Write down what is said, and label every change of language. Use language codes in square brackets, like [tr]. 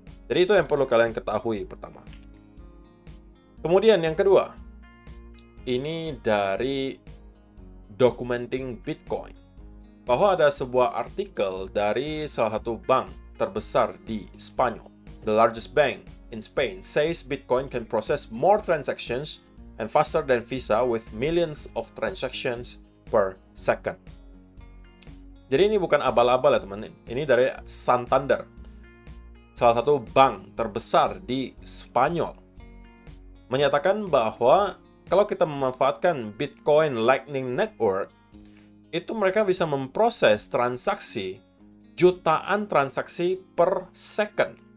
[id] Jadi itu yang perlu kalian ketahui pertama. Kemudian yang kedua, ini dari Documenting Bitcoin. Bahwa ada sebuah artikel dari salah satu bank terbesar di Spanyol. [en] The largest bank in Spain says Bitcoin can process more transactions and faster than Visa with millions of transactions per second. [id] Jadi ini bukan abal-abal ya teman-teman, ini dari Santander, salah satu bank terbesar di Spanyol, menyatakan bahwa kalau kita memanfaatkan Bitcoin Lightning Network, itu mereka bisa memproses transaksi, jutaan transaksi per second.